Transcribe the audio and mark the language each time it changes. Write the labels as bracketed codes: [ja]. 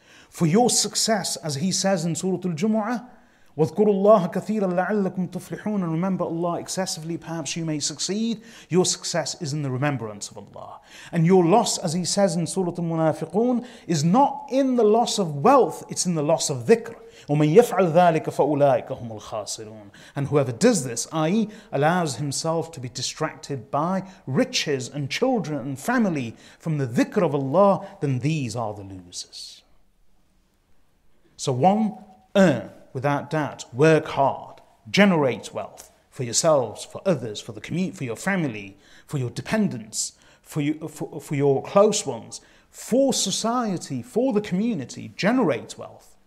[en] For your success, as he says in Surah Al-Jumu'ah, [ar] وَذْكُرُوا اللَّهَ كَثِيرًا لَعَلَّكُمْ تُفْلِحُونَ [en] and remember Allah excessively, perhaps you may succeed, your success is in the remembrance of Allah. And your loss, as he says in Surah Al-Munafiqun, is not in the loss of wealth, it's in the loss of dhikr. [ar] وَمَنْ يَفْعَلْ ذَٰلِكَ فَأُولَٰئِكَ هُمُ الْخَاسِرُونَ [en] And whoever does this, i.e. allows himself to be distracted by riches and children and family from the dhikr of Allah, then these are the losers. So one, earn, without doubt, work hard, generate wealth for yourselves, for others, for the community, for your family, for your dependents, for your close ones, for society, for the community, generate wealth.